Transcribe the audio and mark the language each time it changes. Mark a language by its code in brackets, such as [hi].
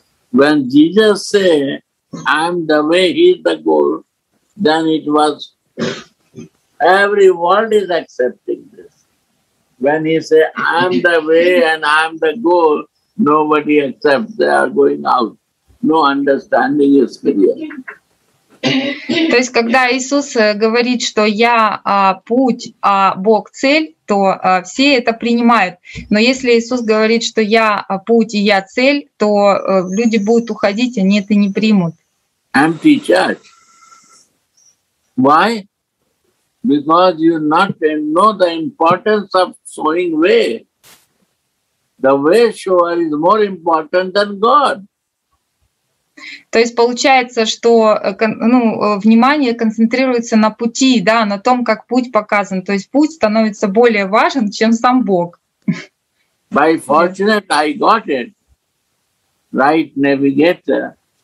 [en] When Jesus said, I'm the way, he's the goal, then it was... Every world is accepting this. When he say, I'm the way and I'm the goal, nobody accepts. They are going out. No understanding is clear. [ru] То есть, когда Иисус говорит, что я путь, а Бог цель, то все это принимают. Но если Иисус говорит, что я путь и я цель, то люди будут уходить, они это не примут. [en] Empty church. Why? Because you not know the importance of showing way. The way shower is more important than God. [ru] То есть получается, что внимание концентрируется на пути, да, на том, как путь показан. То есть путь становится более важен, чем сам Бог. [en] By fortunate, I got it. Right navigator.